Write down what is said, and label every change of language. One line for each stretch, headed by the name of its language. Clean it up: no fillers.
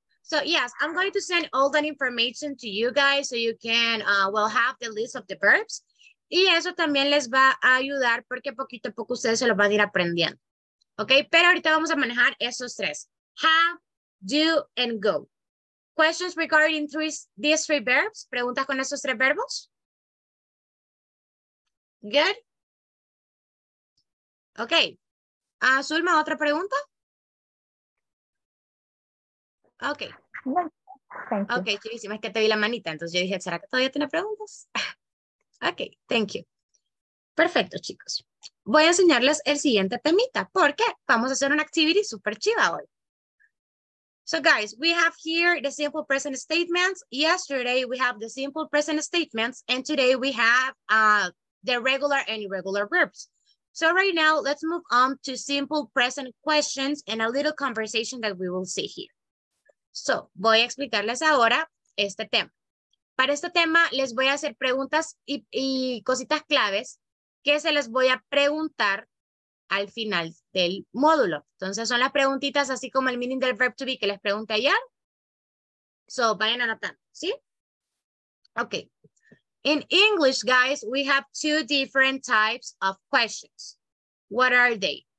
English: So yes, I'm going to send all that information to you guys so you can have the list of the verbs.
Spanish: Y eso también les va a ayudar porque poquito a poco ustedes se lo van a ir aprendiendo. Okay, pero ahorita vamos a manejar esos tres.
English: Have, do, and go. Questions regarding these three verbs?
Spanish: ¿Preguntas con esos tres verbos?
English: Good.
Spanish: Okay. Zulma, ¿otra pregunta?
English: Okay. Thank you.
Spanish: Okay, chivísima, es que te vi la manita, entonces yo dije, ¿será que todavía tiene preguntas?
English: Okay, thank you.
Spanish: Perfecto, chicos. Voy a enseñarles el siguiente temita, porque vamos a hacer una activity super chiva hoy.
English: So guys, we have here the simple present statements. Yesterday we have the simple present statements, and today we have the regular and irregular verbs. So right now, let's move on to simple present questions and a little conversation that we will see here.
Spanish: So, voy a explicarles ahora este tema. Para este tema, les voy a hacer preguntas y cositas claves que se les voy a preguntar al final del módulo. Entonces, son las preguntitas, así como el meaning del verb to be que les pregunté ayer.
English: So,
Spanish: vayan anotando, ¿sí?
English: Okay. In English, guys, we have two different types of questions. What are they?